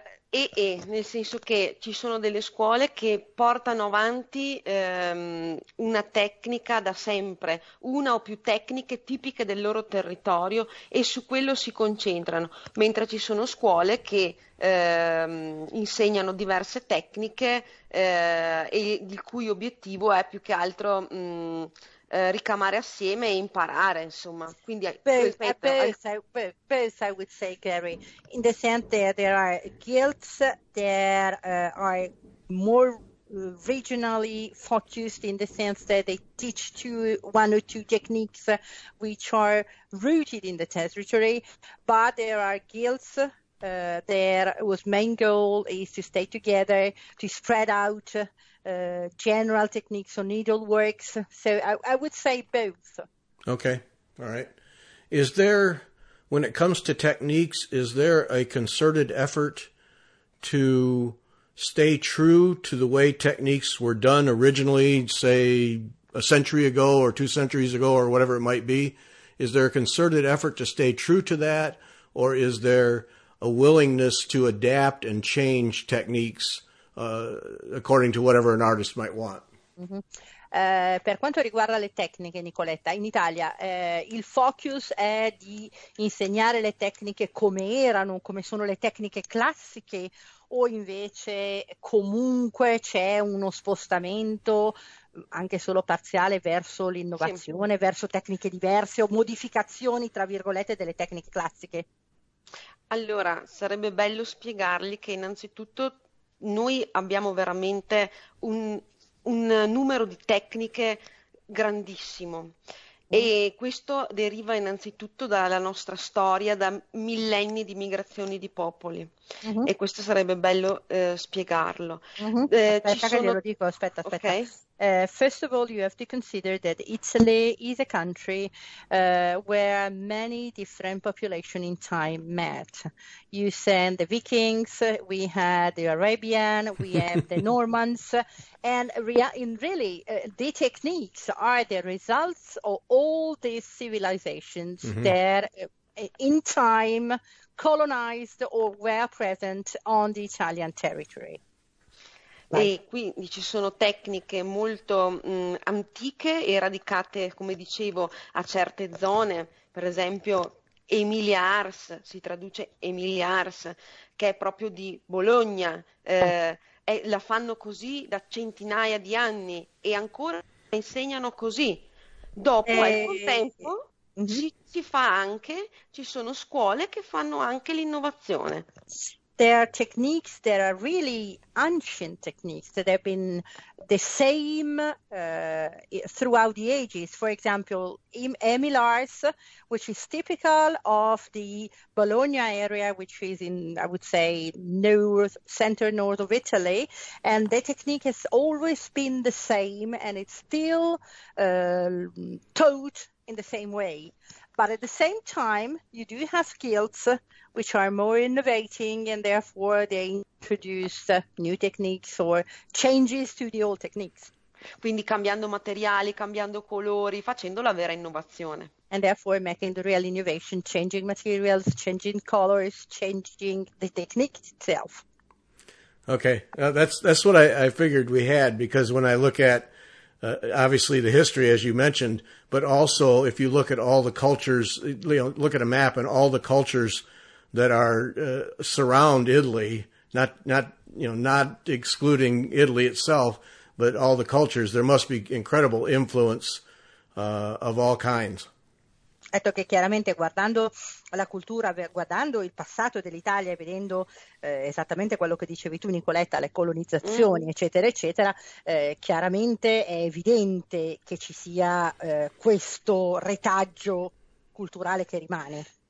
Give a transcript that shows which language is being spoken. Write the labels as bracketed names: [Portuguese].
[Italian] Nel senso che ci sono delle scuole che portano avanti una tecnica da sempre, una o più tecniche tipiche del loro territorio, e su quello si concentrano, mentre ci sono scuole che insegnano diverse tecniche e il cui obiettivo è più che altro ricamare assieme e imparare, insomma. Quindi [English] both I would say, Gary, in the sense that there are guilds that are more regionally focused, in the sense that they teach one or two techniques which are rooted in the territory, but there are guilds there whose main goal is to stay together, to spread out general techniques or needleworks. So I would say both. Okay. All right. Is there, when it comes to techniques, is there a concerted effort to stay true to the way techniques were done originally, say a century ago or two centuries ago or whatever it might be? Is there a concerted effort to stay true to that, or is there a willingness to adapt and change techniques according to whatever an artist might want? Mm-hmm. [Italian] Per quanto riguarda le tecniche, Nicoletta, in Italia il focus è di insegnare le tecniche come erano, come sono le tecniche classiche, o invece comunque c'è uno spostamento, anche solo parziale, verso Sì. l'innovazione, verso tecniche diverse o modificazioni, tra virgolette, delle tecniche classiche? Allora, sarebbe bello spiegargli che innanzitutto noi abbiamo veramente un numero di tecniche grandissimo e questo deriva innanzitutto dalla nostra storia, da millenni di migrazioni di popoli e questo sarebbe bello spiegarlo. Ci Aspetta che glielo sono. dico, aspetta, aspetta. Ok. [English] First of all, you have to consider that Italy is a country where many different population in time met. You send the Vikings, we had the Arabian, we have the Normans, and really the techniques are the results of all these civilizations that in time colonized or were present on the Italian territory. [Italian] E quindi ci sono tecniche molto antiche e radicate, come dicevo, a certe zone, per esempio Emilia-Ars, si traduce Emilia-Ars, che è proprio di Bologna. La fanno così da centinaia di anni e ancora insegnano così. Dopo, al contempo, si fa anche, ci sono scuole che fanno anche l'innovazione. [English] There are techniques that are really ancient techniques that have been the same throughout the ages. For example, Emilia-Ars, which is typical of the Bologna area, which is in, I would say, north, center north of Italy. And the technique has always been the same and it's still taught in the same way. But at the same time, you do have skills which are more innovating, and therefore they introduce new techniques or changes to the old techniques. [Italian] Quindi cambiando materiali, cambiando colori, facendo la vera innovazione. [English] And therefore making the real innovation, changing materials, changing colors, changing the technique itself. Okay, that's what I figured we had because when I look at obviously the history as you mentioned, but also if you look at all the cultures, look at a map and all the cultures that are surround Italy, not excluding Italy itself. But all the cultures, there must be incredible influence, of all kinds. [Italian] Detto che chiaramente guardando la cultura, guardando il passato dell'Italia e vedendo esattamente quello che dicevi tu, Nicoletta, le colonizzazioni, eccetera, eccetera, chiaramente è evidente che ci sia questo retaggio culturale che rimane.